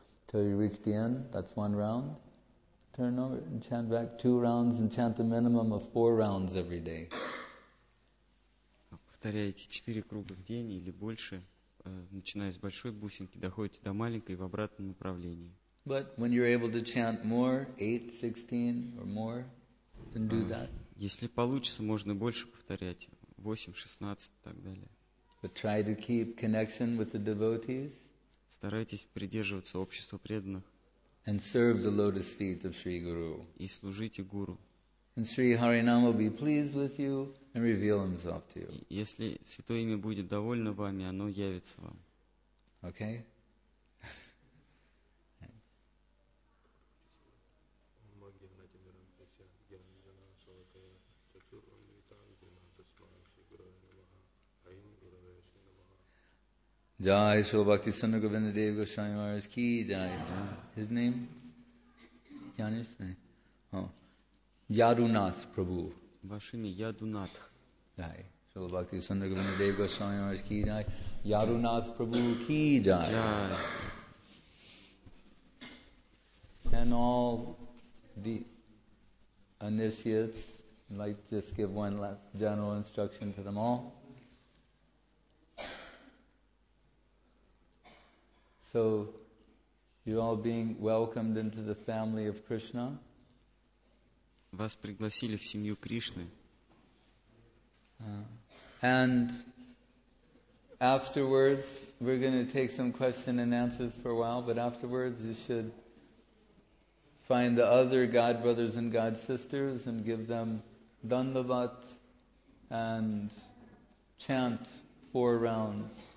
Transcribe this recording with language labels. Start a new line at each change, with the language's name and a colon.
English: Till you reach the end, that's one round. Turn over and chant back two rounds and chant a minimum of four rounds every day.
Russian: Повторяйте четыре круга в день или больше, начиная с большой бусинки, доходите до маленькой в обратном направлении.
English: But when you're able to chant more, 8, 16 or more, then do that.
Russian: Если получится, можно больше повторять, 8, 16 и так далее.
English: But try to keep connection with the devotees.
Russian: Старайтесь придерживаться общества преданных.
English: And serve the lotus feet of Sri Guru.
Russian: И служите гуру.
English: And Sri Harinam will be pleased with you and reveal himself to you.
Russian: Если святое имя будет довольно вами, оно явится вам.
English: Okay? Jai Shri Bhakti Sundar Govinda Dev Goswami Maharaj Ki Jai. His name? Janis? Oh. Yadunath Prabhu. Vashimi Yadunath. Jai. Shri Bhakti Sundar Govinda Dev Goswami Maharaj Ki Jai. Yadunath Prabhu Ki Jai. Jai. Can all the initiates, like, just give one last general instruction to them all? So, you're all being welcomed into the family of Krishna.
Russian: Вас пригласили в семью Кришны.
English: And afterwards, we're going to take some questions and answers for a while, but afterwards you should find the other God brothers and God sisters and give them dandavat and chant four rounds.